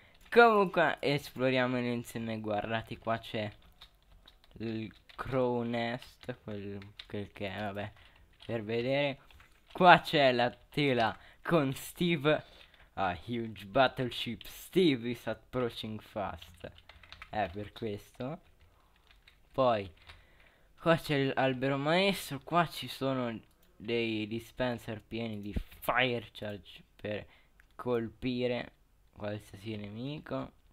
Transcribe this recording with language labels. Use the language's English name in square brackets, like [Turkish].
[Italian] Comunque, esploriamolo insieme. Guardate, qua c'è il crow nest, quel che è, vabbè, per vedere. Qua c'è la tela con Steve. [English] A huge battleship Steve is approaching fast. [Italian] Per questo. Poi, qua c'è l'albero maestro. Qua ci sono dei dispenser pieni di fire charge per colpire qualsiasi nemico.